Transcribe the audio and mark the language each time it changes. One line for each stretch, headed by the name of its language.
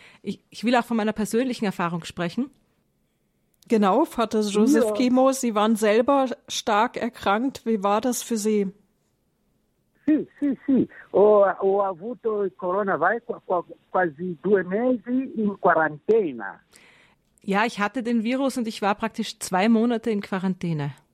German: Ich will auch von meiner persönlichen Erfahrung sprechen. Genau, Vater Joseph Kimo, Sie waren selber stark erkrankt. Wie war das für Sie?
Italian: Sì. Ho avuto il coronavirus quasi due mesi in quarantena.
German: Ja, ich hatte den Virus und ich war praktisch zwei Monate in Quarantäne.